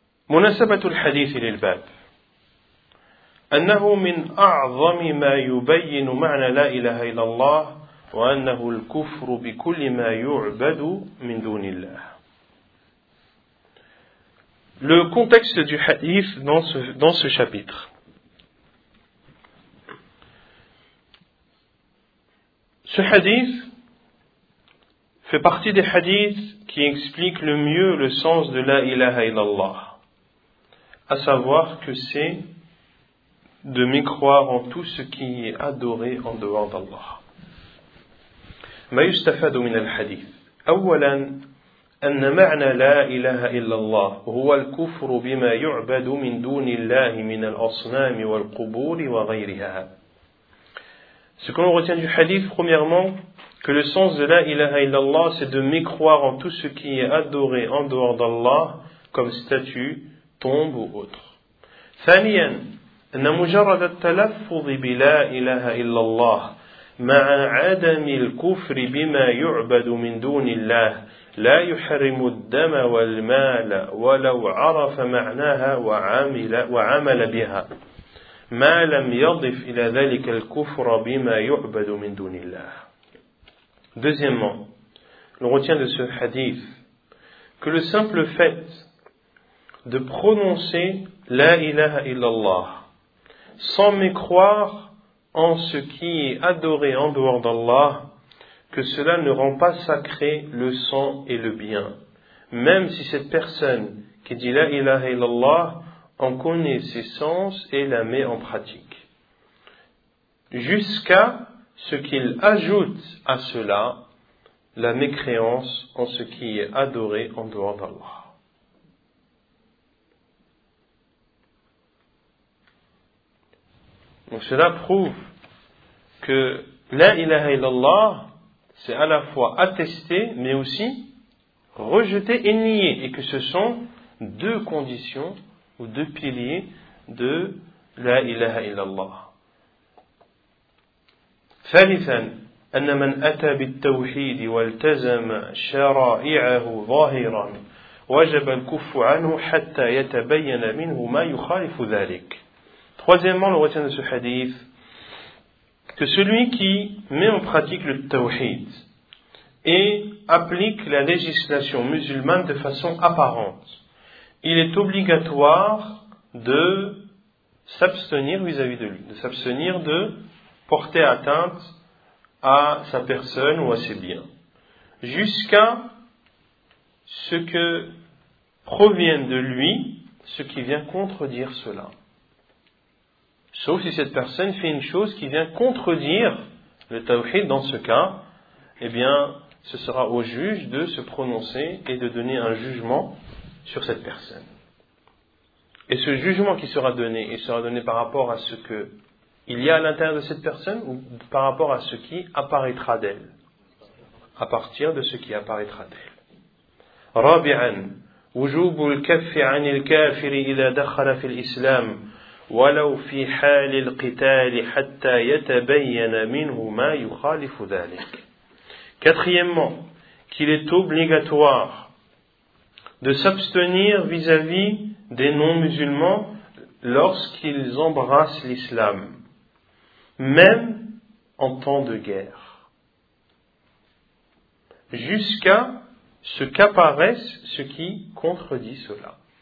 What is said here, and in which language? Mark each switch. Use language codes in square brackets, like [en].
[ar] مناسبة الحديث للباب أنه من أعظم ما يبين معنى لا إله إلا الله وأنه الكفر بكل ما يعبد من دون الله. [fr] Le contexte du hadith dans ce chapitre. Ce hadith fait partie des hadiths qui expliquent le mieux le sens de la ilaha illallah. À savoir que c'est de mécroire en tout ce qui est adoré en dehors d'Allah. [ar] ما يستفاد من الحديث أولا أن معنى لا إله إلا الله هو الكفر بما يعبد من دون الله من الأصنام والقبور وغيرها. [fr] Ce que l'on retient du hadith, premièrement, que le sens de la ilaha illallah, c'est de mécroire en tout ce qui est adoré en dehors d'Allah comme statue, tombe ou autre. [ar] ثانيا أن مجرد التلفظ بلا إله إلا الله مع عدم الكفر بما يعبد من دون الله لا يحرم الدم والمال ولو عرف معناها وعمل بها ما لم يضف إلى ذلك الكفر بما يعبد من دون الله. [fr] Deuxièmement, on retient de ce hadith que le simple fait de prononcer la ilaha illallah sans mécroire en ce qui est adoré en dehors d'Allah, que cela ne rend pas sacré le sang et le bien, même si cette personne qui dit la ilaha illallah en connaît ses sens et la met en pratique, jusqu'à ce qu'il ajoute à cela la mécréance en ce qui est adoré en dehors d'Allah. Donc cela prouve que la ilaha illallah, c'est à la fois attesté, mais aussi rejeté et nié, et que ce sont deux conditions ou deux piliers de la ilaha illallah. [ar] Thalithan, أن من أتى بالتوحيد والتزم شرائعه ظاهرا وجب الكف عنه حتى يتبين منه ما يخالف ذلك. [fr] Troisièmement, le retient de ce hadith, que celui qui met en pratique le tawhid et applique la législation musulmane de façon apparente, il est obligatoire de s'abstenir vis-à-vis de lui, de s'abstenir de porter atteinte à sa personne ou à ses biens, jusqu'à ce que provienne de lui ce qui vient contredire cela. Sauf si cette personne fait une chose qui vient contredire le tawhid, dans ce cas, eh bien, ce sera au juge de se prononcer et de donner un jugement sur cette personne. Et ce jugement qui sera donné, il sera donné par rapport à ce qu'il y a à l'intérieur de cette personne ou par rapport à ce qui apparaîtra d'elle, à partir de ce qui apparaîtra d'elle. [ar] Rabi'an, wujub al-kaff 'an al-kafir idha dakhala fi al-islam ولو في حال القتال حتى يتبين منه ما يخالف ذلك. [fr] Quatrièmement, qu'il est obligatoire de s'abstenir vis-à-vis des non-musulmans lorsqu'ils embrassent l'islam, même en temps de guerre, jusqu'à ce qu'apparaisse ce qui contredit cela.